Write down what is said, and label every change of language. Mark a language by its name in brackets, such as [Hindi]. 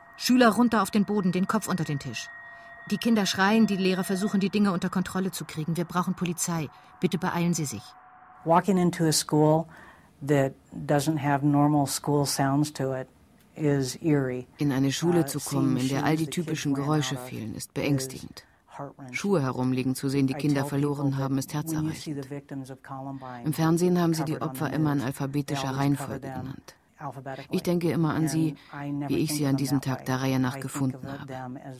[German] Schüler runter auf den Boden, den Kopf unter den Tisch. Die Kinder schreien, die Lehrer versuchen, die Dinge unter Kontrolle zu kriegen. Wir brauchen Polizei. Bitte beeilen Sie sich. [English] Walking into a school that doesn't have normal school sounds to it is eerie. [German] In eine Schule zu kommen, in der all die typischen Geräusche fehlen, ist beängstigend. Schuhe herumliegen zu sehen, die Kinder verloren haben, ist herzerreißend. Im Fernsehen haben sie die Opfer immer in alphabetischer Reihenfolge genannt. Ich denke immer an sie, wie ich sie an diesem Tag der Reihe nach gefunden habe.